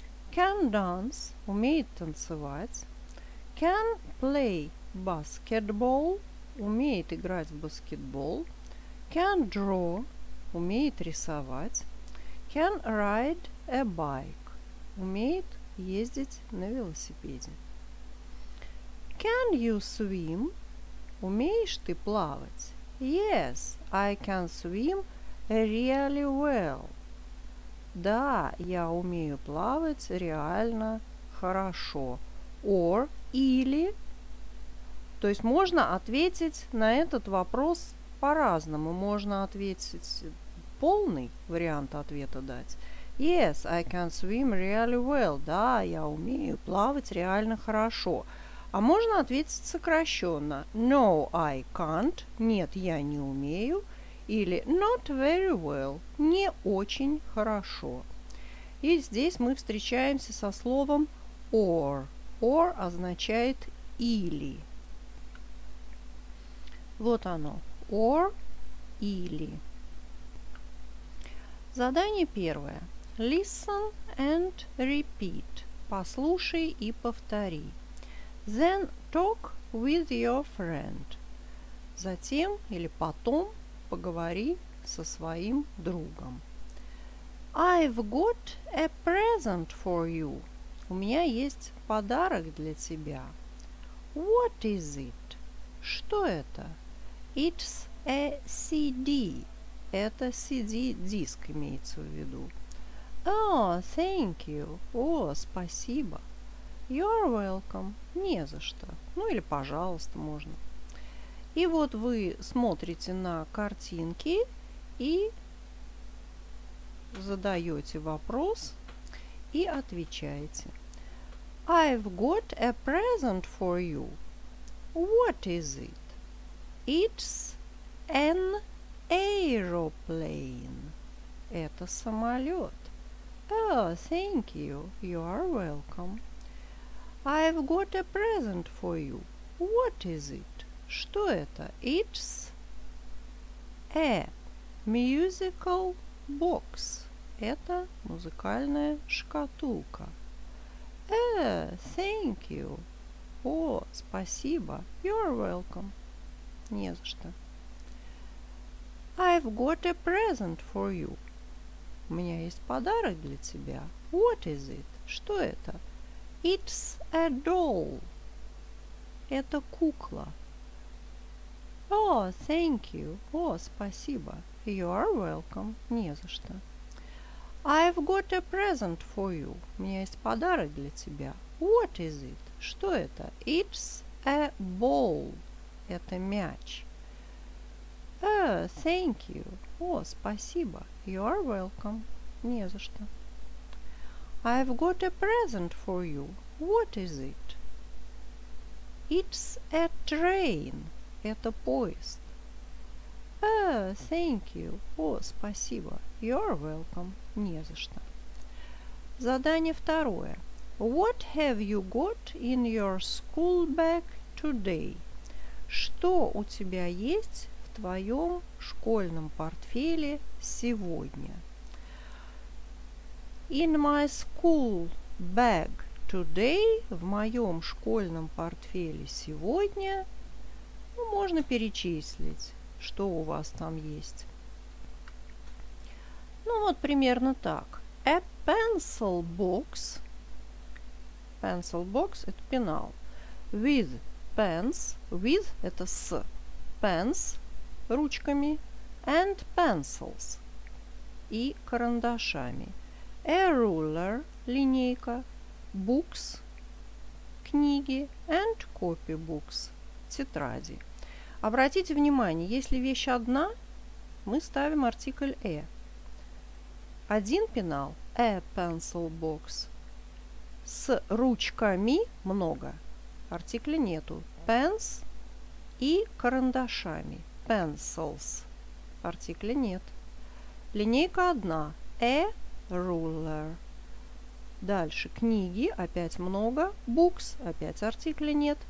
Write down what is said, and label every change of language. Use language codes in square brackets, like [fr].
[en] Can dance [ru] – умеет танцевать. [en] Can play basketball [ru] – умеет играть в баскетбол. [en] Can draw [ru] – умеет рисовать. [en] Can ride a bike [ru] – умеет ездить на велосипеде. [en] Can you swim – [ru] умеешь ты плавать? [en] Yes, I can swim – really well. [ru] Да, я умею плавать реально хорошо. Or, или. То есть можно ответить на этот вопрос по-разному. Можно ответить полный вариант ответа дать. [en] Yes, I can swim really well. [ru] Да, я умею плавать реально хорошо. А можно ответить сокращенно. [en] No, I can't. [ru] Нет, я не умею. Или [en] not very well [ru] – не очень хорошо. И здесь мы встречаемся со словом or. Or означает или. Вот оно. Or – или. Задание первое. [en] Listen and repeat. [ru] Послушай и повтори. [en] Then talk with your friend. [ru] Затем или потом поговори со своим другом. [en] I've got a present for you. [ru] У меня есть подарок для тебя. [en] What is it? [ru] Что это? [en] It's a CD. [ru] Это CD-диск имеется в виду. [en] Oh, thank you. [ru] О, спасибо. [en] You're welcome. [ru] Не за что. Ну или пожалуйста, можно. И вот вы смотрите на картинки и задаете вопрос и отвечаете. [en] I've got a present for you. What is it? It's an aeroplane. [ru] Это самолет. [en] Oh, thank you. You are welcome. I've got a present for you. What is it? [ru] Что это? [en] It's a musical box. [ru] Это музыкальная шкатулка. [en] Oh, thank you. [ru] О, спасибо. [en] You're welcome. [ru] Не за что. [en] I've got a present for you. [ru] У меня есть подарок для тебя. [en] What is it? [ru] Что это? [en] It's a doll. [ru] Это кукла. [en] Oh, thank you. [ru] О, спасибо. [en] You are welcome. [ru] Не за что. [en] I've got a present for you. [ru] У меня есть подарок для тебя. [en] What is it? [ru] Что это? [en] It's a ball. [ru] Это мяч. [en] Oh, thank you. [ru] О, спасибо. [en] You are welcome. [ru] Не за что. [en] I've got a present for you. What is it? It's a train. [ru] Это поезд. [en] Oh, thank you. [ru] О, спасибо. [en] You're welcome. [ru] Не за что. Задание второе. [en] What have you got in your school bag today? [ru] Что у тебя есть в твоем школьном портфеле сегодня? [en] In my school bag today, [ru] в моем школьном портфеле сегодня, ну, можно перечислить, что у вас там есть. Ну вот примерно так. [en] A pencil box. Pencil box [ru] – это пенал. [en] With pens. With – [ru] это с. [en] Pens [ru] – ручками. [en] And pencils. [ru] И карандашами. [en] A ruler – [ru] линейка. [en] Books [ru] – книги. [en] And copy books – [ru] тетради. Обратите внимание, если вещь одна, мы ставим артикль «a». Один пенал – [en] a pencil box. [ru] С ручками – много. Артикля нету. [en] Pens [ru] и карандашами – [en] pencils. [ru] Артикля нет. Линейка одна – [en] a ruler. [ru] Дальше – книги – опять много. [en] Books [ru] – опять артикля нет.